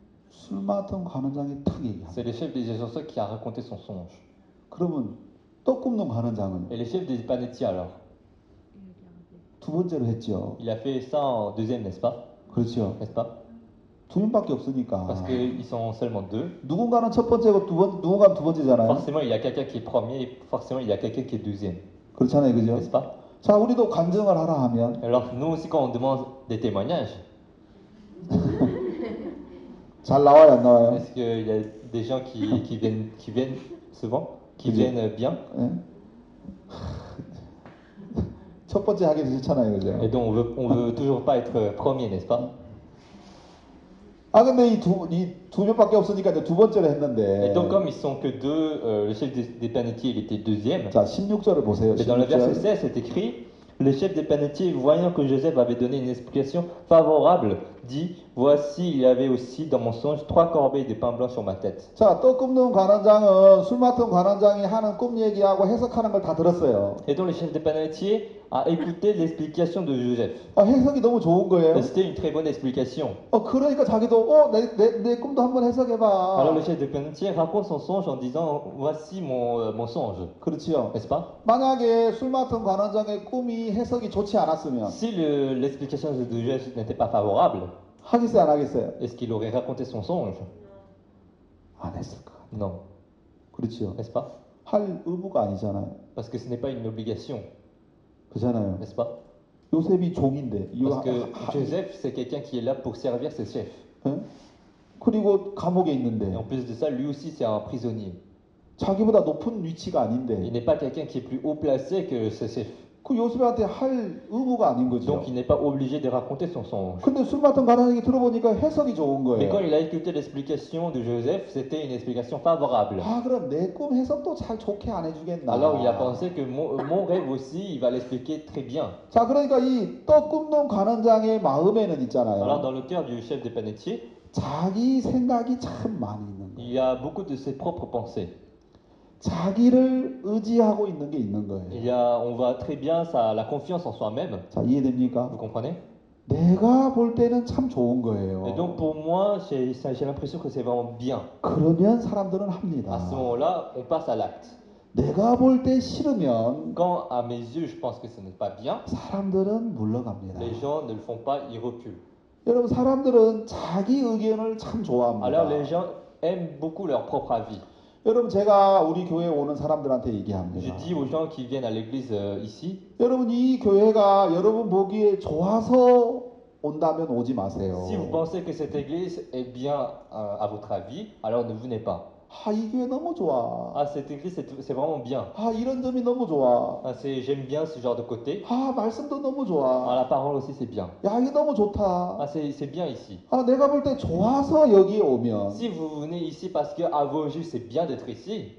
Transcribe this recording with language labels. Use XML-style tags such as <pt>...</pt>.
<ko>술 맡은 관원장이 탁 얘기한.</ko> <fr>C'est le chef des garçons qui a raconté son songe.</fr> <ko>그러면 또 꿈놓은 관원장은</ko> <fr>Et le chef des panettiers alors?</fr> <ko>두 번째로 했죠.</ko> <fr>Il a fait ça en deuxième, n'est-ce pas?</fr> <ko>그렇죠.</ko> <fr>N'est-ce pas?</fr> <ko>두 명밖에 없으니까.</ko> <fr>Parce qu'ils sont seulement deux.</fr> <ko>누군가는 첫 번째고 누군가는 두 번째잖아요.</ko> <fr>Forcément, il y a quelqu'un qui est premier, forcément, il y a quelqu'un qui est deuxième.</fr> <ko>그렇잖아요, 그죠?</ko> <fr>N'est-ce pas?</fr> <ko>자, 우리도 간증을 하라 하면</ko> <fr>Alors, nous aussi, quand on demande des témoignages,</fr> <ko>잘 나와요, 안 나와요?</ko> <fr>Est-ce qu'il y a des gens qui viennent souvent? Qui viennent bien.</fr> <ko>첫 번째 하기 싫잖아요, 그죠?</ko> <fr>Et donc on veut toujours pas être premier, n'est-ce pas?</fr> <ko>아 근데 이 두 명밖에 없으니까 이제 두 번째를 했는데.</ko> <fr>Et donc comme ils sont que deux, le chef des panetiers il était deuxième.</fr> <ko>자 16절을 보세요.</ko> <fr>Et dans le verset 16, c'est écrit, le chef des panetiers voyant que Joseph avait donné une explication favorable, dit, voici, il y avait aussi dans mon songe trois corbeilles de pain blanc sur ma tête.</fr> <ko>자, 또 꿈꾼 관원장은 술 맡은 관원장이 하는 꿈 얘기하고 해석하는 걸 다 들었어요.</ko> <fr>Et donc le chef des panetiers a écouté l'explication de Joseph.</fr> <ko>아, 해석이 너무 좋은 거예요.</ko> <fr>Et c'était une très bonne explication.</fr> <ko>어, 그러니까 자기도 내 꿈도 한번 해석해 봐.</ko> <fr>Alors le chef des panetiers raconte son songe en disant voici mon songe.</fr> <ko>그렇지요.</ko> <fr>N'est-ce pas?</fr> <ko>만약에 술 맡은 관원장의 꿈이 해석이 좋지 않았으면</ko> <fr>Si l'explication de Joseph n'était pas favorable.</fr> <ko>하겠어요, 안 하겠어요?</ko> <fr>Est-ce qu'il aurait raconté son songe?</fr> <ko>안 했을 거.</ko> <fr>Non.</fr> <ko>그렇지요.</ko> <fr>N'est-ce pas?</fr> <ko>할 의무가 아니잖아요.</ko> <fr>Parce que ce n'est pas une obligation.</fr> <ko>그잖아요.</ko> <fr>N'est-ce pas?</fr> <ko>요셉이 종인데.</ko> <fr>Parce que Joseph, c'est quelqu'un qui est là pour servir ses chefs.</fr> <ko>응? 그리고 감옥에 있는데.</ko> <fr>Et en plus de ça, lui aussi, c'est un prisonnier.</fr> <ko>자기보다 높은 위치가 아닌데.</ko> <fr>Il n'est pas quelqu'un qui est plus haut placé que ses chefs.</fr> <ko>그 요셉한테 할 의무가 아닌 거죠.</ko> <fr>Donc il n'est pas obligé de raconter son songe.</fr> <ko>근데 술 맡은 관원장이 들어보니까 해석이 좋은 거예요.</ko> <fr>Mais quand il a écouté l'explication de Joseph, c'était une explication favorable.</fr> <ko>아, 그럼 내 꿈 해석도 잘 좋게 안 해주겠나.</ko> <fr>Alors il a pensé que mon rêve aussi, il va l'expliquer très bien.</fr> <ko>자, 그러니까 이 또 꿈놓은 관원장의 마음에는 있잖아요.</ko> <fr>Alors dans le cœur du chef des panetiers,</fr> <ko>자기 생각이 참 많이 있는 거예요.</ko> <fr>Il y a beaucoup de ses propres pensées.</fr> <ko>자기를 의지하고 있는 게 있는 거예요.</ko> <fr>Il y a, on voit très bien ça, la confiance en soi-même.</fr> <ko>자, 이해됩니까?</ko> <fr>Vous comprenez?</fr> <ko>내가 볼 때는 참 좋은 거예요.</ko> <fr>Et donc pour moi, j'ai l'impression que c'est vraiment bien.</fr> <ko>그러면 사람들은 합니다.</ko> <fr>À ce moment-là, on passe à l'acte.</fr> <ko>내가 볼 때 싫으면</ko> <fr>quand à mes yeux, je pense que ce n'est pas bien.</fr> <ko>사람들은 물러갑니다.</ko> <fr>Les gens ne le font pas, ils reculent.</fr> <ko>여러분, 사람들은 자기 의견을 참 좋아합니다.</ko> <fr>Alors les gens aiment beaucoup leur propre avis.</fr> <ko>여러분, 제가 우리 교회 오는 사람들한테 얘기합니다.</ko> <fr>Je dis aux gens qui viennent à l'église ici.</fr> <ko>여러분, 이 교회가 여러분 보기에 좋아서 온다면 오지 마세요.</ko> <fr>Si vous pensez que cette église est bien à votre avis, alors ne venez pas.</fr> <ko>아, 이 교회 너무 좋아.</ko> <fr>Ah, cette église c'est vraiment bien.</fr> <ko>아, 이런 점이 너무 좋아.</ko> <fr>Ah, c'est j'aime bien ce genre de côté.</fr> <ko>아, 말씀도 너무 좋아.</ko> <fr>Ah, la parole aussi c'est bien.</fr> <ko>야, 이게 너무 좋다.</ko> <fr>Ah, c'est bien ici.</fr> <ko>아, 내가 볼 때 좋아서 여기 오면.</ko> <fr>Si vous venez ici parce que à vos yeux c'est bien d'être ici.</fr>